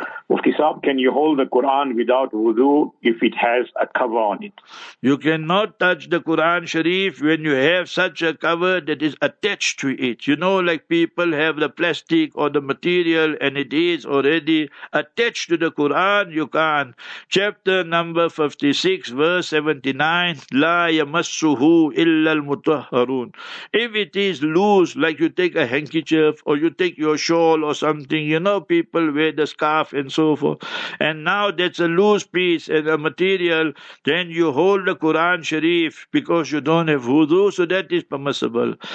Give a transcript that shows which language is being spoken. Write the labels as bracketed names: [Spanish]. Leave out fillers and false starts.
[English] Mufti Saab, can you hold the Quran without wudu if it has a cover on it? You cannot touch the Quran Sharif when you have such a cover that is attached to it. You know, like people have the plastic or the material and it is already attached to the Quran, you can't. Chapter number 56, verse 79, [Arabic] لَا يَمَسُّهُ إِلَّا الْمُطَهَّرُونَ. [English] If it is loose, like you take a handkerchief or you take your shawl or something, you know, people wear the scarf and so forth, and now that's a loose piece and a material, then you hold the Quran Sharif because you don't have wudu, so that is permissible.